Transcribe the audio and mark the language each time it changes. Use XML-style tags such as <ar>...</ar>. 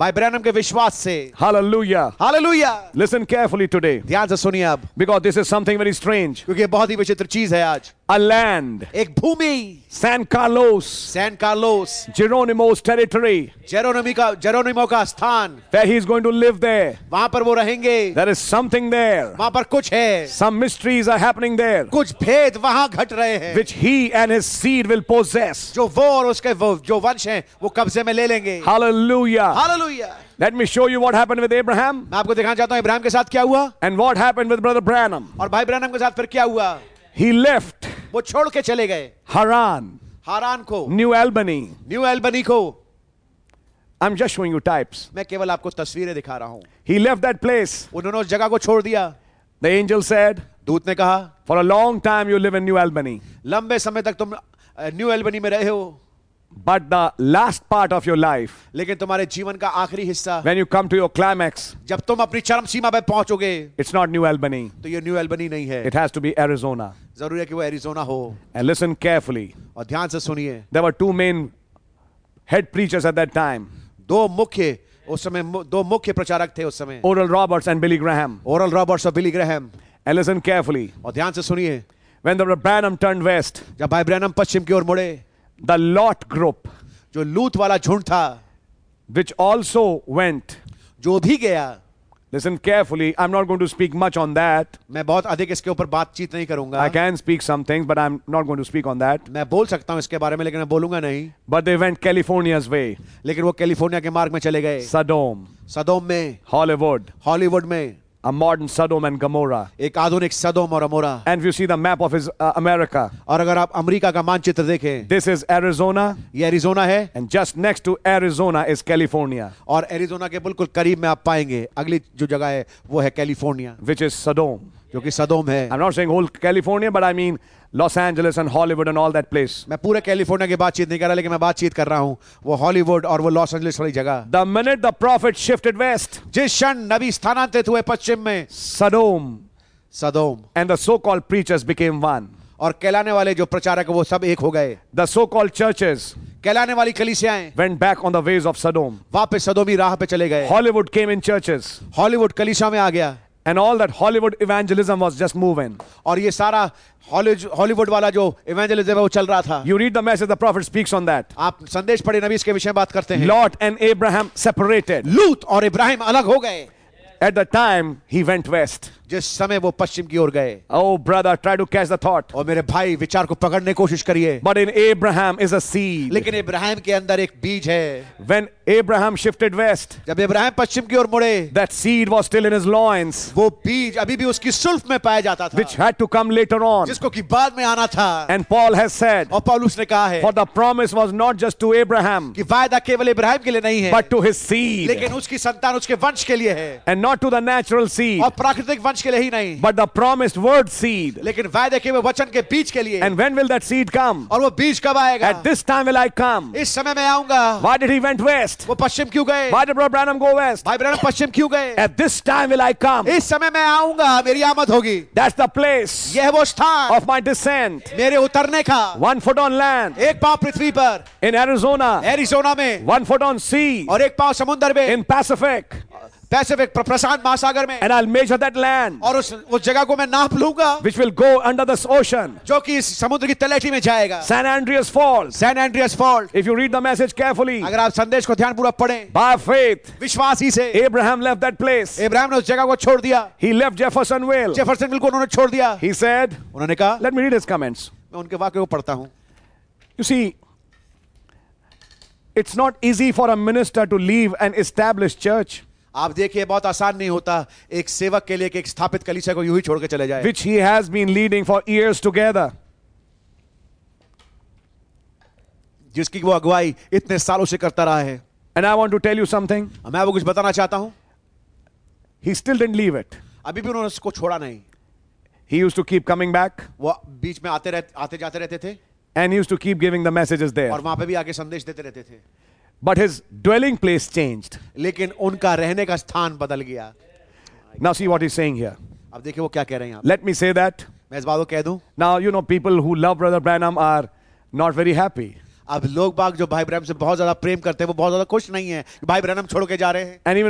<hi>Bye Branham के विश्वास से hallelujah hallelujah</hi> <en>listen carefully today</en> <hi>ध्यान से सुनिए अब</hi> <en>because this is something very strange</en> <hi>क्योंकि बहुत ही विचित्र चीज है आज</hi> <en>A land,</en> <hi>एक भूमि,</hi> <en>San Carlos, Geronimo's territory,</en> <hi>Geronimo का स्थान,</hi> <en>where he is going to live there,</en> <hi>वहाँ पर वो रहेंगे,</hi> <en>there is something there,</en> <hi>वहाँ पर कुछ है,</hi> <en>some mysteries are happening there,</en> <hi>कुछ भेद वहाँ घट रहे हैं,</hi> <en>which he and his seed will possess,</en> <hi>जो वो और उसके जो वंश हैं, वो कब्जे में ले लेंगे, Hallelujah, Hallelujah.</hi> <en>Let me show you what happened with Abraham.</en> <hi>मैं आपको दिखाना चाहता हूँ अब्राहम के साथ क्या हुआ,</hi> <en>and what happened with Brother Branham.</en> <hi>और भाई ब्रैनम के साथ फिर क्या हुआ?</hi> <en>He left.</en> <hi>वो छोड़ के चले गए हारान हारान को न्यू एल्बनी को</hi> <en>I'm just showing you types.</en> <hi>मैं केवल आपको तस्वीरें दिखा रहा हूं</hi> <en>He left that place.</en> <hi>उन्होंने उस जगह को छोड़ दिया</hi> <en>The angel said.</en> <hi>दूत ने कहा</hi> <en>For a long time you live in New Albany.</en> <hi>लंबे समय तक तुम न्यू एल्बनी में रहे हो</hi> <en>But the last part of your life,</en> <hi>लेकिन तुम्हारे जीवन का आखिरी हिस्सा</hi> <en>when you come to your climax,</en> <hi>जब तुम अपनी चरम सीमा पर पहुंचोगे</hi> <en>it's not New Albany,</en> <hi>तो ये New Albany नहीं है</hi> <en>it has to be Arizona,</en> <hi>जरूरी है कि वो Arizona हो</hi> <en>and listen carefully,</en> <hi>और ध्यान से सुनिए</hi> <en>there were two main head preachers at that time,</en> <hi>दो मुख्य उस समय दो मुख्य प्रचारक थे उस समय</hi> <en>Oral Roberts and Billy Graham,</en> <hi>Oral Roberts और Billy Graham,</hi> <en>and listen carefully,</en> <hi>और ध्यान से सुनिए</hi> <en>when the Branham turned west,</en> <hi>जब भाई ब्रैनम पश्चिम की ओर मुड़े</hi> <en>The Lot group,</en> <hi>जो लूट वाला झुंड था,</hi> <en>which also went,</en> <hi>जो भी गया,</hi> <en>listen carefully. I'm not going to speak much on that.</en> <hi>मैं बहुत अधिक इसके ऊपर बातचीत नहीं करूंगा.</hi> <en>I can speak some things, but I'm not going to speak on that.</en> <hi>मैं बोल सकता हूँ इसके बारे में, लेकिन मैं बोलूंगा नहीं.</hi> <en>But they went California's way.</en> <hi>लेकिन वो कैलिफोर्निया के मार्ग में चले गए.</hi> <en>Sodom.</en> <hi>Sodom में.</hi> <en>Hollywood.</en> <hi>Hollywood में.</hi> <en>A modern Sodom and Gomorrah.</en> <hi>एक आधुनिक सदोम और अमोरा.</hi> <en>And if you see the map of his America.</en> <hi>और अगर आप अमेरिका का मानचित्र देखें.</hi> <en>This is Arizona.</en> <hi>ये एरिजोना है.</hi> <en>And just next to Arizona is California.</en> <hi>और एरिजोना के बिल्कुल करीब में आप पाएंगे अगली जो जगह है वो है कैलिफोर्निया.</hi> <en>Which is Sodom.</en> <hi>जो कि सदोम है.</hi> <en>I'm not saying whole California, but I mean Los Angeles and Hollywood and all that place.</en> <hi>मैं पूरे कैलिफोर्निया की बातचीत नहीं कर रहा, लेकिन मैं बातचीत कर रहा हूँ वो हॉलीवुड और वो लॉस एंजलिस वाली जगह.</hi> <en>The minute the prophet shifted west,</en> <hi>जिस क्षण नबी स्थानांतरित हुए पश्चिम में,</hi> <en>Sodom,</en> <hi>Sodom,</hi> <en>and the so-called preachers became one.</en> <hi>और कहलाने वाले जो प्रचारक वो सब एक हो गए.</hi> <en>The so-called churches,</en> <hi>कहलाने वाली कलीसियाएं,</hi> <en>went back on the ways of Sodom.</en> <hi>वापस सदोमी राह पे चले गए.</hi> <en>Hollywood came in churches.</en> <hi>Hollywood कलीसिया में आ गया.</hi> <en>And all that Hollywood evangelism was just moving.</en> <hi>और ये सारा हॉलीवुड वाला जो evangelism है वो चल रहा था.</hi> <en>You read the message, the prophet speaks on that.</en> <hi>आप संदेश पढ़े, नबी इसके विषय में बात करते हैं.</hi> <en>Lot and Abraham separated.</en> <hi>लूत और इब्राहिम अलग हो गए.</hi> <en>At the time he went west.</en> <hi>जिस समय वो पश्चिम की ओर गए.</hi> <en>Oh brother, try to catch the thought.</en> <hi>और मेरे भाई विचार को पकड़ने कोशिश करिए.</hi> <en>But in Abraham is a seed.</en> <hi>लेकिन इब्राहिम के अंदर एक बीज है.</hi> <en>When Abraham shifted west.</en> <hi>जब इब्राहिम पश्चिम की ओर मुड़े.</hi> <en>That seed was still in his loins.</en> <hi>वो बीज अभी भी उसकी सुल्फ में पाया जाता था.</hi> <en>Which had to come later on.</en> <hi>जिसको कि बाद में आना था.</hi> <en>And Paul has said.</en> <hi>और पौलुस ने कहा है.</hi> <en>For the promise was not just to Abraham.</en> <hi>कि वायदा केवल इब्राहिम के लिए नहीं है.</hi> <en>But to his seed.</en> <hi>लेकिन उसकी संतान उसके वंश के लिए है.</hi> <en>And not to the natural seed.</en> <hi>और प्राकृतिक वंश के लिए ही नहीं.</hi> <en>But the promised word seed.</en> <hi>लेकिन वायदे के वचन के बीज के लिए.</hi> <en>And when will that seed come?</en> <hi>और वो बीज कब आएगा?</hi> <en>At this time will I come.</en> <hi>इस समय मैं आऊंगा.</hi> <en>Why did he went west?</en> <hi>वो पश्चिम क्यों गए?</hi> <en>Why did Brother Branham go west?</en> <hi>भाई ब्रैनम पश्चिम क्यों गए?</hi> <en>At this time will I come.</en> <hi>इस समय मैं आऊंगा, मेरी आमद होगी.</hi> <en>That's the place.</en> <hi>यह वो स्थान.</hi> <en>Of my descent.</en> <hi>मेरे उतरने का.</hi> <en>One foot on land.</en> <hi>एक पांव पृथ्वी पर.</hi> <en>In Arizona.</en> <hi>एरिजोना में.</hi> <en>One foot on sea.</en> <hi>और एक पांव समुद्र में.</hi> <en>In Pacific.</en> <hi>Pacific, प्रशांत महासागर में.</hi> <en>And I'll measure that land.</en> <hi>और उस जगह को मैं नाप लूंगा.</hi> <en>Which will go under the ocean.</en> <hi>जो कि समुद्र की तलहटी में जाएगा.</hi> <en>San Andreas Fault. San Andreas Fault. If you read the message carefully.</en> <hi>अगर आप संदेश को ध्यान पूर्वक पढ़ें.</hi> <en>By faith.</en> <hi>विश्वास ही से.</hi> <en>Abraham left that place.</en> <hi>Abraham ने उस जगह को छोड़ दिया.</hi> <en>He left Jeffersonville.</en> <hi>Jeffersonville को उन्होंने छोड़ दिया.</hi> <en>He said.</en> <hi>उन्होंने कहा.</hi> <en>Let me read his comments.</en> <hi>मैं उनके वाक्य को पढ़ता हूँ.</hi> <en>You see. It's not easy for a minister to leave an established church.</en> <hi>आप देखिए बहुत आसान नहीं होता एक सेवक के लिए कि एक स्थापित कलीसिया को यूं ही छोड़कर चले जाए.</hi> <en>Which he has been leading for years together.</en> <hi>जिसकी वो अगुवाई इतने सालों से करता रहा है.</hi> <en>And I want to tell you something.</en> <hi>मैं वो कुछ बताना चाहता हूं.</hi> <en>He still didn't leave it.</en> <hi>अभी भी उन्होंने उसको छोड़ा नहीं.</hi> <en>He used to keep coming back.</en> <hi>वो बीच में आते जाते रहते थे.</hi> <en>And used to keep giving the messages there.</en> <hi>और वहां पे भी आके संदेश देते रहते थे.</hi> <en>But his dwelling place changed.</en> <hi>लेकिन उनका रहने का स्थान बदल गया.</hi> <en>Now see what he's saying here.</en> <hi>अब देखिए वो क्या कह रहे हैं यहाँ.</hi> <en>Let me say that.</en> <hi>मैं इस बात को कह दूँ.</hi> <en>Now you know people who love Brother Branham are not very happy.</en> <hi>अब लोग बाग जो भाई ब्रैनम से बहुत ज्यादा प्रेम करते हैं वो बहुत ज्यादा खुश नहीं है कि भाई ब्रैनम छोड़ के जा रहे हैं.</hi>